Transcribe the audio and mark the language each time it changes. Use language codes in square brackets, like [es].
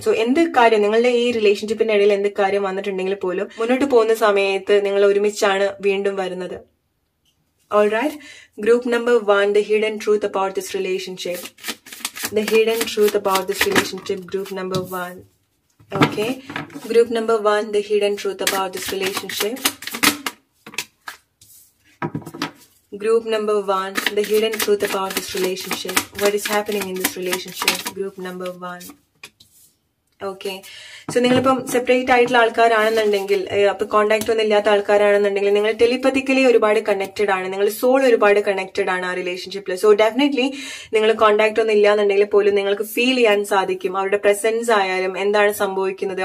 [ml] So എന്ത് കാര്യം, നിങ്ങളുടെ ഈ റിലേഷൻഷിപ്പിന്റെ ഇടയിൽ എന്ത് കാര്യം വന്നിട്ടുണ്ടെങ്കിൽ പോലും മുന്നോട്ട് പോകുന്ന സമയത്ത് നിങ്ങൾ ഒരുമിച്ചാണ് വീണ്ടും വരുന്നത്. Alright, group number one, the hidden truth about this relationship. The hidden truth about this relationship, group number one. Okay, group number one, the hidden truth about this relationship. [en] Group number 1, the hidden truth about this relationship. What is happening in this relationship? Group number 1. Okay. [ml] So നിങ്ങളിപ്പം separate ആയിട്ടുള്ള ആൾക്കാരാണെന്നുണ്ടെങ്കിൽ, അപ്പൊ contact ഒന്നും ഇല്ലാത്ത ആൾക്കാരാണെന്നുണ്ടെങ്കിൽ, നിങ്ങൾ ടെലിപ്പതിക്കലി ഒരുപാട് connected ആണ്, നിങ്ങൾ soul ഒരുപാട് കണക്റ്റഡ് ആണ് ആ റിലേഷൻഷിപ്പിൽ. സോ ഡെഫിനറ്റ്ലി നിങ്ങൾ കോണ്ടാക്ട് ഒന്നും ഇല്ലാന്നുണ്ടെങ്കിൽ പോലും നിങ്ങൾക്ക് ഫീൽ ചെയ്യാൻ സാധിക്കും അവരുടെ പ്രസൻസ് ആയാലും എന്താണ് സംഭവിക്കുന്നത്.